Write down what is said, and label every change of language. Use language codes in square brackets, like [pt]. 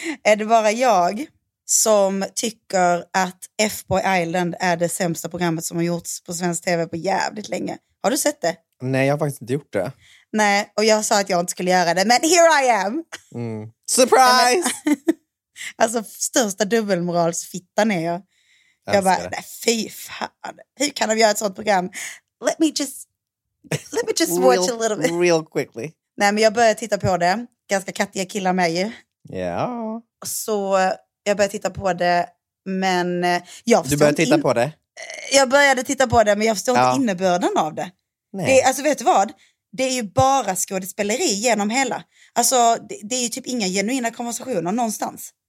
[sv] Är det bara jag som tycker att FBoy Island är det sämsta programmet som har gjorts på svensk tv på jävligt länge? Har du sett det? Nej, jag har faktiskt inte gjort det. Nej, och jag sa att jag inte skulle göra det. Men [en] here I am! Surprise! [sv] Alltså, största dubbelmoralsfittan är jag. Jag bara, fy fan. Hur kan de göra ett sånt program? [en] Let me just watch a little bit. Real quickly. [sv] Nej, men jag började titta på det. Ganska kattiga killar med ju. Ja. [en] Yeah. [sv] Så jag började titta på det. Men jag förstod inte... Du började titta på det? Jag började titta på det, men jag förstod inte innebörden av det. Nej. Det. Alltså, vet du vad? Det är ju bara skådespeleri genom hela. Alltså, det är ju typ inga genuina konversationer någonstans.